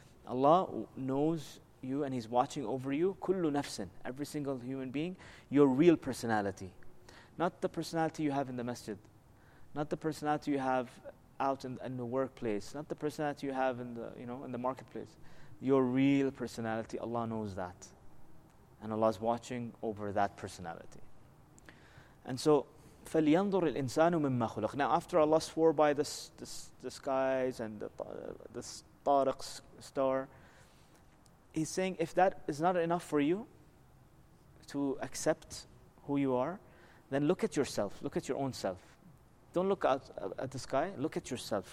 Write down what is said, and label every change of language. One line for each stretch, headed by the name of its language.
English: Allah knows you and He's watching over you. Kullu nafsin, every single human being, your real personality. Not the personality you have in the masjid. Not the personality you have out in the workplace. Not the personality you have in the marketplace. Your real personality, Allah knows that. And Allah is watching over that personality. And so,
Arabic: فَلْيَنْظُرِ الْإِنسَانُ مِمَّا خُلَقْ.
English: Now, after Allah swore by the skies and the طارق star, He's saying, if that is not enough for you to accept who you are, then look at yourself, look at your own self. Don't look out at the sky, look at yourself.